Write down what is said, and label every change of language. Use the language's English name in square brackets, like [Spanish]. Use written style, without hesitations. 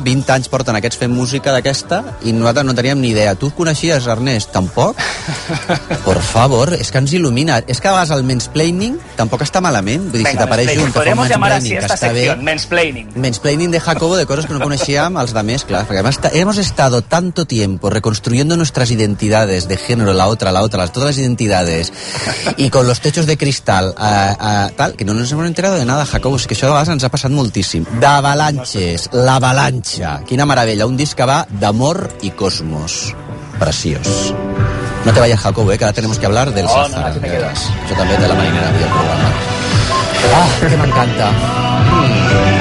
[Catalan] 20 anys porten aquests fent música d'aquesta i nosaltres no teníem ni idea. Tu coneixies, Ernest? Tampoc? [Spanish] Por favor, [Catalan] és que ens il·lumina. És que a vegades el mansplaining tampoc està malament. Vull dir, venga, si t'apareix un que podríem fa mansplaining, que està bé. Mansplaining. Mansplaining de Jacobo, de coses que no coneixíem els demés, clar. [Spanish] Perquè hemos estado tanto tiempo reconstruyendo nuestras identidades de género, la otra, todas las identidades, y con los techos de cristal, tal, que no nos hemos enterado de nada, Jacobo. [Catalan] És que això a vegades ens ha passat moltíssim. D'Avalanches, l'Avalanxa. Quina meravella. Un disc que va d'amor i cosmos. Preciós. [Spanish] No te vayas, Jacobo, que ara tenemos que hablar del Sahara. [Catalan] No, no, això també de la Marinera del programa. Ah, que m'encanta.